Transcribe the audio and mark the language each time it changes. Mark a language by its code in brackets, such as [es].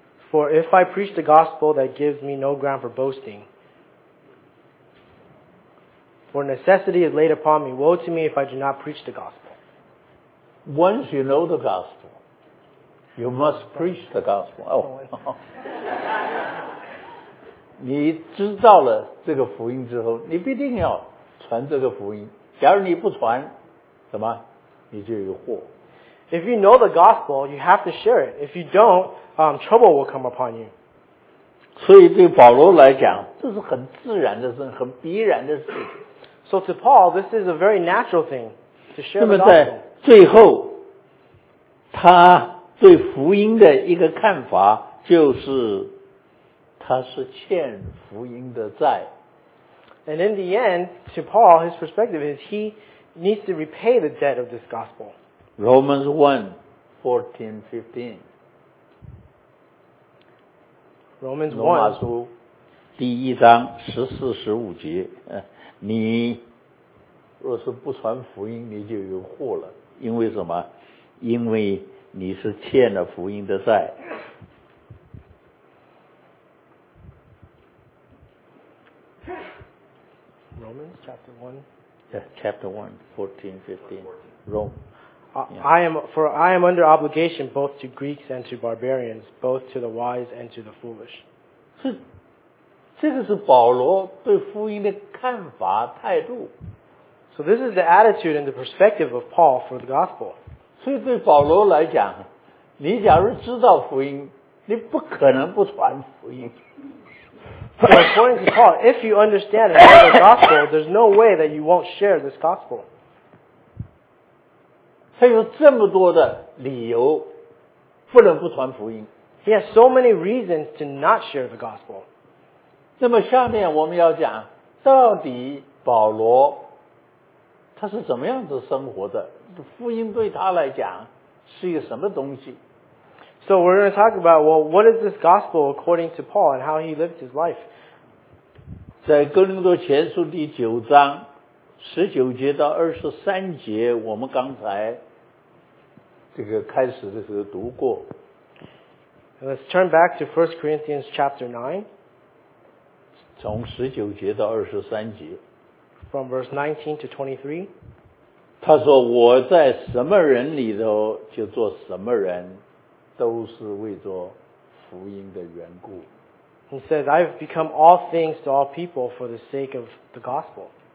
[en] For if I preach the gospel that gives me no ground for boasting, for necessity is laid upon me, woe to me if I do not preach the gospel. Once you know the gospel, you must preach the gospel. Oh. [zh] 你知道了这个福音之后，你必定要传这个福音。假如你不传，什么？你就有祸。 [en] If you know the gospel, you have to share it. If you don't, trouble will come upon you. [zh] 所以对保罗来讲，这是很自然的事，很必然的事。 [en] So to Paul, this is a very natural thing to share the gospel. [zh] 那么在最后，他对福音的一个看法就是，他是欠福音的债。 [en] And in the end, to Paul, his perspective is he needs to repay the debt of this gospel. Romans 1:14-15. Romans 1. [zh] 罗马书第一章十四十五节，你若是不传福音，你就有祸了。因为什么？因为你是欠了福音的债。 [en] Romans chapter 1. Yeah, chapter 1:14-15. Rome. I am under obligation both to Greeks and to barbarians, both to the wise and to the foolish. [zh] 这个是保罗对福音的看法态度。 [en] So this is the attitude and the perspective of Paul for the gospel. [zh] 所以对保罗来讲，你假如知道福音，你不可能不传福音。 [en] So according to Paul, if you understand and know the gospel, there's no way that you won't share this gospel. [zh] 他有这么多的理由不能不传福音。 [en] He has so many reasons to not share the gospel. [zh] 那么下面我们要讲到底保罗他是怎么样子生活的，福音对他来讲是一个什么东西。 [en] So we're going to talk about, well, what is this gospel according to Paul and how he lived his life? [zh] 在哥林多前书第九章19节到23节，我们刚才这个开始的时候读过。 [en] Let's turn back to 1 Corinthians chapter 9. [zh] 从19节到23节。 [en] From verse 19 to 23. [zh] 他说，我在什么人里头就做什么人，都是为着福音的缘故。 [en] He says, I've become all things to all people for the sake of the gospel.